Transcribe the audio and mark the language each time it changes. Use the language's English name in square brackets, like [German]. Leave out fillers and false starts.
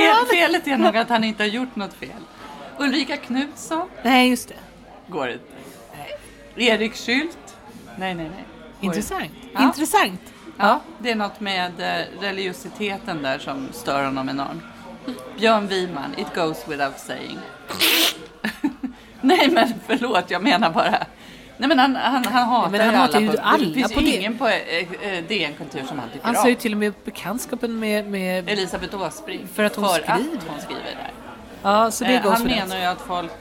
[Swedish] Felet är nog att han inte har gjort något fel. Ulrika Knutsson. Nej, just det. Går det? Nej. Erik Schüldt. Nej. Intressant. Ja. Intressant. Ja, det är något med religiositeten där som stör honom enormt. [English] Björn Wiman, it goes without saying. [Swedish] Nej, men förlåt, jag menar bara. Nej, men han hatar, men han hatar ju alla. Det finns på ingen på DN-kultur som han tycker om. Han säger ju till och med bekantskapen med Elisabeth Åsbring. För att hon skriver där. Ja, så det goes han menar ju att folk.